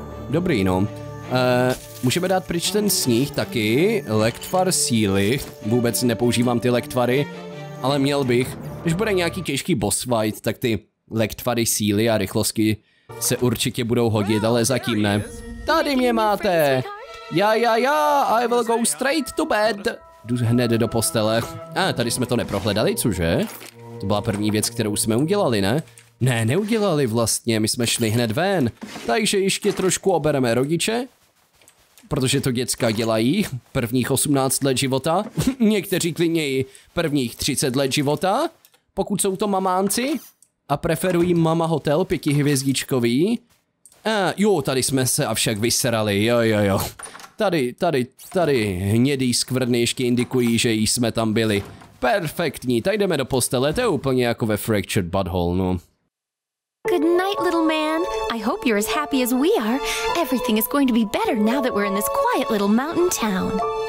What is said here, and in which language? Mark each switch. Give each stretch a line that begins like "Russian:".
Czech: Dobrý, no. Můžeme dát pryč ten sníh taky. Lektvar síly. Vůbec nepoužívám ty lektvary. Ale měl bych. Když bude nějaký těžký boss fight, tak ty lektvary síly a rychlosti se určitě budou hodit, ale zatím ne. Tady mě máte! Já,
English: I will go straight to bed!
Czech: Jdu hned do postele. Tady jsme to neprohledali, cože? To byla první věc, kterou jsme udělali, ne? Ne, neudělali vlastně, my jsme šli hned ven. Takže ještě trošku obereme rodiče. Protože to děcka dělají prvních 18 let života. Někteří klidněji prvních 30 let života. Pokud jsou to mamánci. A preferují Mama Hotel, pětihvězdičkový. Tady jsme se avšak vysrali, jo. Tady hnědý skvrny ještě indikují, že jsme tam byli. Perfektní, tak jdeme do postele, to je úplně jako ve Fractured Butthole, no.
English: Good night, little man. I hope you're as happy as we are. Everything is going to be better now that we're in this quiet little mountain town.